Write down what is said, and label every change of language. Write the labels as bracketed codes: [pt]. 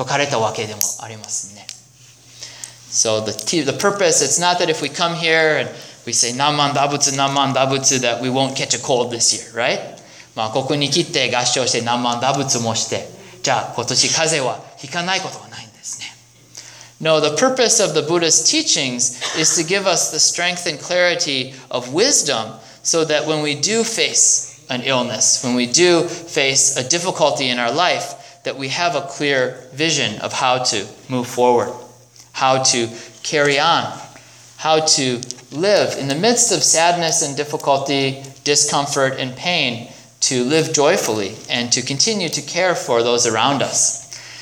[en] So the purpose, it's not that if we come here and we say, Nammandabutsu, that we won't catch a cold this year, right? [ja] まあ、ここに来て合唱して何万打仏もして、じゃあ今年風邪は引かないことはないんですね。 [en] No, the purpose of the Buddha's teachings is to give us the strength and clarity of wisdom so that when we do face an illness, when we do face a difficulty in our life, that we have a clear vision of how to move forward, how to carry on, how to live in the midst of sadness and difficulty, discomfort and pain, to live joyfully and to continue to care for those around us.